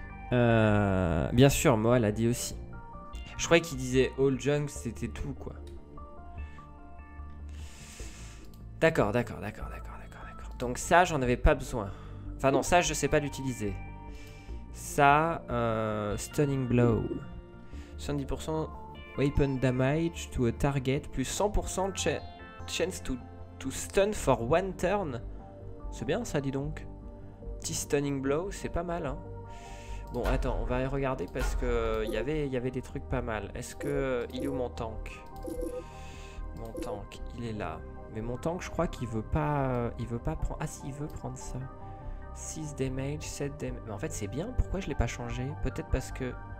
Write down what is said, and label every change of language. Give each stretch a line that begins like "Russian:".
French: Bien sûr, moi, elle a dit aussi. Je croyais qu'il disait
English: all junk,
French: c'était tout, quoi. D'accord. Donc ça, j'en avais pas besoin. Enfin non, ça, je sais pas l'utiliser. Ça, Stunning Blow.
English: 70% weapon damage to a target, plus 100% chance to stun for one turn.
French: C'est bien ça, dis donc. Petit Stunning Blow, c'est pas mal. Hein. Bon, attends, on va regarder parce que y avait des trucs pas mal. Est-ce que... Il est où mon tank? Mon tank, il est là. Mais mon tank, je crois qu'il veut pas... Ah si, il veut prendre ça. 6 damage, 7 damage... Mais en fait, c'est bien. Pourquoi je l'ai pas changé? Peut-être parce que...